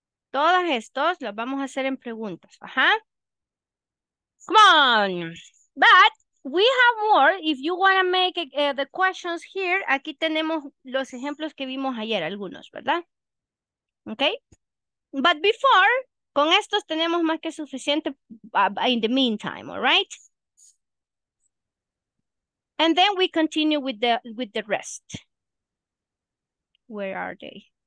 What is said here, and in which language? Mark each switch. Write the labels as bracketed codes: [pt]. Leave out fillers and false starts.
[es] Todas estos los vamos a hacer en preguntas. [en] Ajá. Come on. But we have more if you want to make the questions here. [es] Aquí tenemos los ejemplos que vimos ayer, algunos, ¿verdad? [en] Okay. But before, [es] con estos tenemos más que suficiente [en] in the meantime, all right? And then we continue with the rest. Where are they?